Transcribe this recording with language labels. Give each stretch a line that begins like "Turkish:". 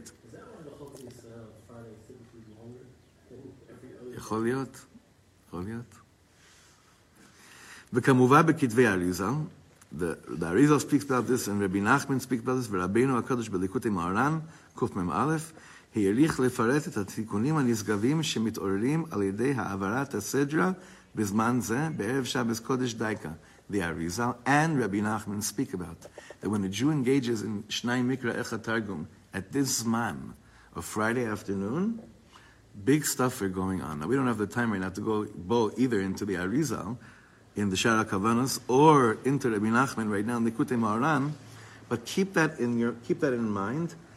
English: Is that why the Chol Kodesh Friday is typically longer than every other day? Yechol Yot. Arizal. The Arizal speaks about this, and Rabbi Nachman speaks about this, and Rabbeinu HaKadosh B'Likutei Maharan, Kuf Mem Aleph,
Hebrew: העריך לפרט את התיקונים הנשגבים שמתעוררים על ידי העברת הסדרה בזמן זה, בערב שבס קודש דייקה.
English: The Arizal and Rabbi Nachman speak about that when a Jew engages in Shnai Mikra Echa Targum at this Zman of Friday afternoon, big stuff are going on. Now, we don't have the time right now to go both either into the Arizal in the Shara Kavanos or into Rabbi Nachman right now in the Kutei Maharan, but keep that in mind.